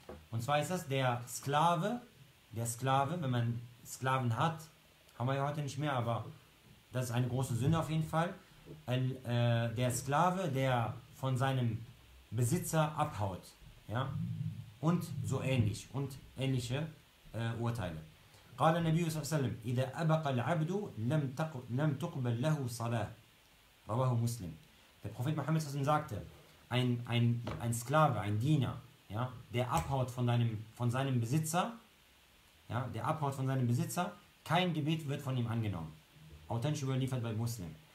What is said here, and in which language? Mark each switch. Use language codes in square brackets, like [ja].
[de] Und zwar ist das der Sklave, wenn man Sklaven hat, haben wir ja heute nicht mehr, aber das ist eine große Sünde auf jeden Fall. Der Sklave, der von seinem Besitzer abhaut. Ja? Und so ähnlich. Und ähnliche Urteile. [ar] قال النبي صلى الله عليه وسلم إذا أبقى العبد لم تقبل له صلاة رواه مسلم. [de] Der Prophet Muhammad [ar] صلى الله عليه وسلم [de] sagte, ein Sklave, ein Diener, ja, der abhaut von seinem Besitzer, ja, der abhaut von seinem Besitzer, kein Gebet wird von ihm angenommen. Authentisch überliefert bei Muslim.